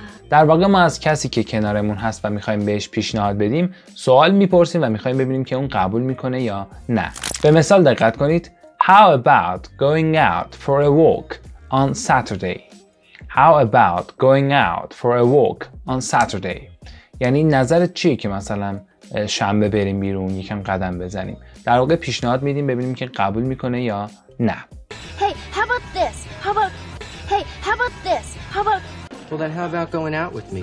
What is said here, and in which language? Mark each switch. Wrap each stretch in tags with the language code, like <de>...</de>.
<fa>در واقع ما از کسی که کنارمون هست و میخواییم بهش پیشنهاد بدیم سوال میپرسیم و میخواییم ببینیم که اون قبول میکنه یا نه. به مثال دقت کنید.</fa> <en>How about going out for a walk on Saturday? How about going out for a walk on Saturday?</en> <fa>یعنی نظرت چیه که مثلا شنبه بریم بیرون یکم قدم بزنیم؟ در واقع پیشنهاد میدیم ببینیم که قبول میکنه یا نه.</fa> <en>Hey, how about this? Well then, how about going out with me?</en>